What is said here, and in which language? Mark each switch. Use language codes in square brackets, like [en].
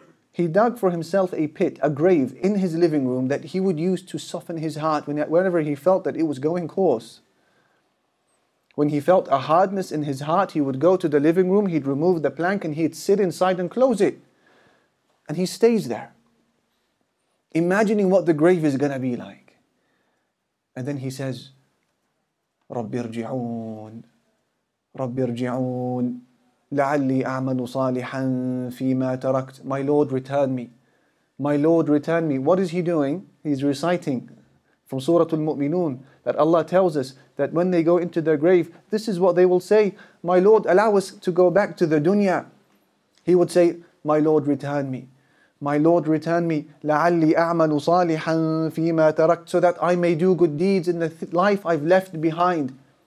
[en] He dug for himself a pit, a grave in his living room that he would use to soften his heart whenever he felt that it was going coarse. When he felt a hardness in his heart, he would go to the living room, he'd remove the plank and he'd sit inside and close it. And he stays there, imagining what the grave is going to be like. And then he says, [ar] رَبِّ ارْجِعُونَ رَبِّ ارْجِعُونَ لَعَلِّي أَعْمَلُ صَالِحًا فِي مَا تَرَكْتُ. [en] My Lord, return me. My Lord, return me. What is he doing? He's reciting from Surah Al-Mu'minun that Allah tells us that when they go into their grave, this is what they will say. My Lord, allow us to go back to the dunya. He would say, My Lord, return me. My Lord, return me, [ar] لَعَلِّي أَعْمَلُ صَالِحًا فِي مَا تَرَكْتُ, [en] so that I may do good deeds in the life I've left behind.